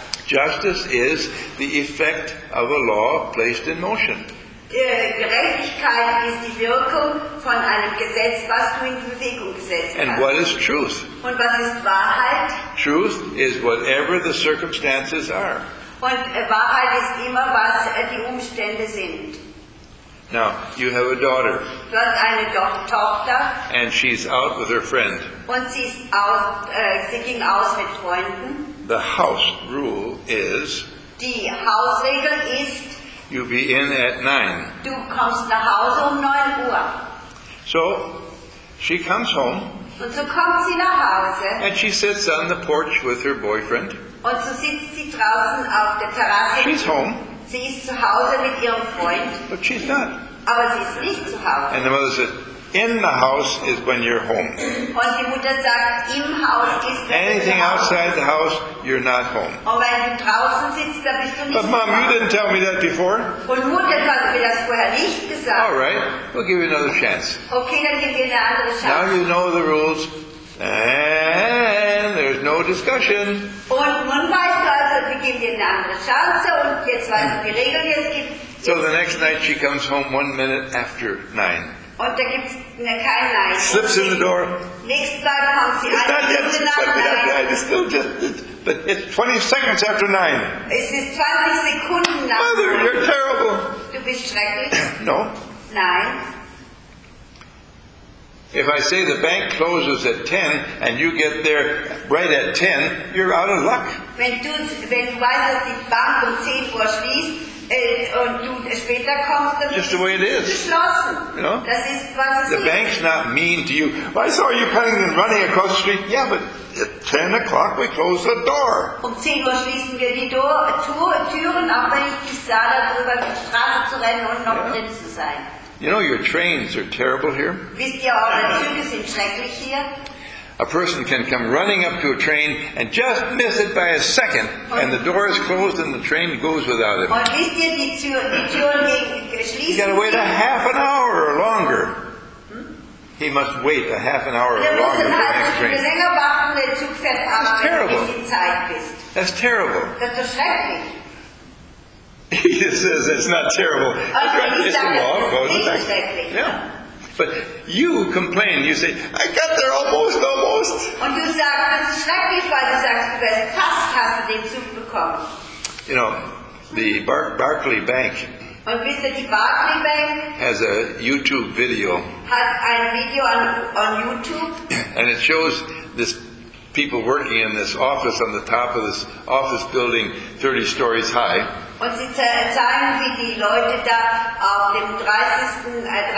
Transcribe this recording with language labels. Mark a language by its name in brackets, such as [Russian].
[English] Justice is the effect of a law placed in motion. [German] Gerechtigkeit ist die Wirkung von einem Gesetz, was du in Bewegung gesetzt hast. [English] And what is truth? [German] Und was ist Wahrheit? [English] Truth is whatever the circumstances are. [German] Und Wahrheit ist immer, was die Umstände sind. [English] Now, you have a daughter. [German] Du hast eine Tochter. [English] And she's out with her friend. [German] Und sie ist aus, sie ging aus mit Freunden. [English] The house rule is, [German] die Hausregel ist, [English] you be in at 9. [German] Du kommst nach Hause 9 Uhr. [English] So, she comes home. [German] Und so kommt sie nach Hause. [English] And she sits on the porch with her boyfriend. [German] Und so sitzt sie draußen auf der Terrasse. [English] She's home. [German] Sie ist zu Hause mit ihrem Freund. [English] But she's not. [German] Aber sie ist nicht zu Hause. [English] And the mother said, in the house is when you're home. [German] Und die Mutter sagt, im Haus ist, [English] anything outside the house, you're not home. [German] Und wenn du draußen sitzt, dann bist du nicht. [English] But Mom, you didn't tell me that before. [German] Und Mutter hat mir das vorher nicht gesagt. [English] All right, we'll give you another chance. [German] Okay, dann gib dir eine andere Chance. [English] Now you know the rules, and there's no discussion. [German] Und nun weißt du also, wir geben dir eine andere Chance, und jetzt weißt du die Regeln, jetzt gibt. [English] So the next night she comes home 1 minute after 9. [German] Und da gibt's keine Nein. [English] Slips in the door. [German] Nächsten Tag kommt sie [English] an. It's not yet. It's still just. But it's 20 seconds after 9. [German] Es ist 20 Sekunden nach. [English] Mother, you're terrible. [German] Du bist schrecklich. [English] No. [German] Nein. [English] If I say the bank closes at 10 and you get there right at 10, you're out of luck. [German] Wenn du weißt, dass die Bank 10 Uhr schließt. Und du später kommst, dann [English] just the way it is. You know? [German] Das ist, was [English] the [German] ist. [English] Bank's not mean to you. Well, I saw you coming and running across the street. Yeah, but at 10 o'clock we close the door. [German] Um 10 Uhr schließen wir die Türen, auch wenn ich dich sah, darüber die Straße zu rennen und noch drin zu sein. [English] You know, your trains are terrible here. [German] Wisst ihr, eure Züge sind schrecklich hier. [English] A person can come running up to a train and just miss it by a second, and the door is closed and the train goes without him. You've got to wait a half an hour or longer. He must wait a half an hour or longer for the next train. That's terrible. That's terrible. He says it's not terrible. It's the law. Yeah. But you complain. You say, I got there almost, almost. [German] Und du sagst, das ist schrecklich, weil du sagst, du wärst fast, hast du den Zug bekommen. [English] You know, the Barclay Bank. [German] Und wisst ihr, die Barclay Bank [English] has a YouTube video. [German] Hat ein Video on YouTube. [English] And it shows this people working in this office on the top of this office building, 30 stories high. [German] Und sie zeigen, wie die Leute da auf dem 30.